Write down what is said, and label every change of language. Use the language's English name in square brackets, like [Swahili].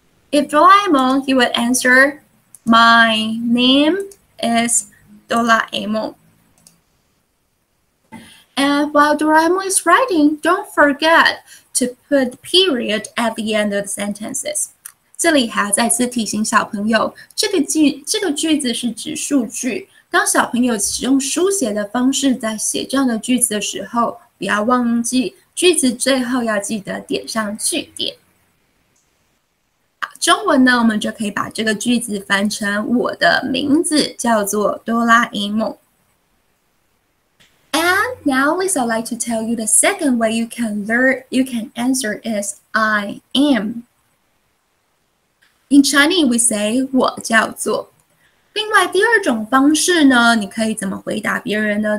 [English] If Doraemon, he would answer, My name is Doraemon. And while Doraemon is writing, don't forget to put period at the end of the sentences. [Chinese] 这里还要再次提醒小朋友，这个句子是指数句。当小朋友使用书写的方式在写这样的句子的时候，不要忘记句子最后要记得点上句点。中文呢，我们就可以把这个句子翻成我的名字叫做哆啦 A 梦。 [English] And now, Lisa, I'd like to tell you the second way you can answer is I am. In Chinese, we say [Chinese] 我叫做。另外第二种方式呢，你可以怎么回答别人呢？